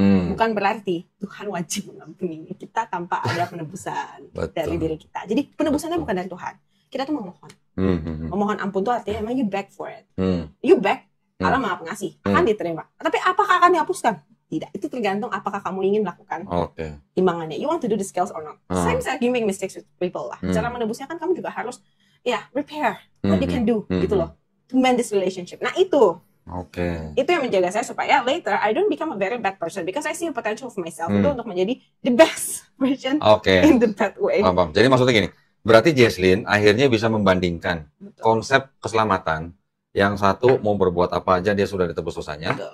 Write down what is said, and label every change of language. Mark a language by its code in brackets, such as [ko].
[id] Bukan berarti Tuhan wajib mengampuni kita tanpa ada penebusan dari diri kita. Jadi penebusannya bukan dari Tuhan. Kita tuh memohon. Memohon ampun itu artinya emang [en] you beg for it. You beg, [id] Allah maha pengasih. Akan diterima. Tapi apakah akan dihapuskan? Tidak. Itu tergantung apakah kamu ingin melakukan imbangannya. [en] You want to do the scales or not? Same as you make mistakes with people [id] lah. Cara menebusnya kan kamu juga harus [en] repair. What you can do. [id] Gitu loh. [en] To mend this relationship. [id] Nah itu. Oke. [en] Okay. [id] Itu yang menjaga saya supaya [en] later I don't become a very bad person because I see a potential of myself [id] itu untuk menjadi [en] the best version in the bad way. [id] Paham. Jadi maksudnya gini, berarti Jesslyn akhirnya bisa membandingkan konsep keselamatan yang satu mau berbuat apa aja dia sudah ditebus dosanya.